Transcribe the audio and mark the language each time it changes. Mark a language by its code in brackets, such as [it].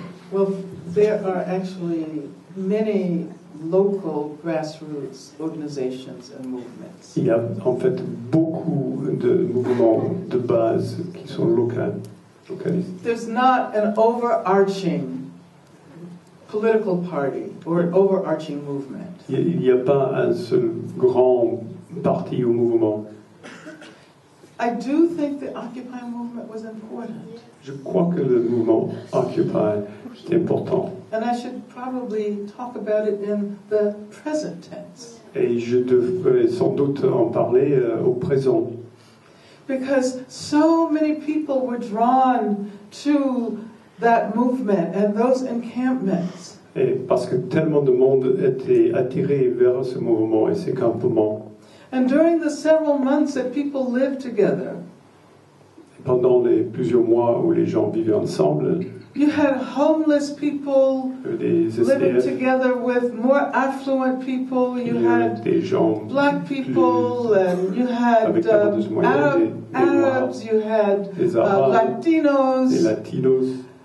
[en] Well, there are actually many local grassroots organizations and movements. [fr] Il y a en fait beaucoup de mouvements de base qui sont localisés. [en] There's not an overarching political party or an overarching movement. [fr] Il n'y a pas un seul grand parti ou mouvement. [en] I do think the Occupy movement was important. [fr] Je crois que le mouvement Occupy est important. [en] And I should probably talk about it in the present tense. [fr] Et je devrais sans doute en parler au présent. [en] Because so many people were drawn to that movement and those encampments. [fr] Et parce que tellement de monde était attiré vers ce mouvement et ces campements. [en] And during the several months that people lived together, [fr] pendant les plusieurs mois où les gens vivaient ensemble, [en] you had homeless people living together with more affluent people. You had black people, and you had Arabs. You had Latinos.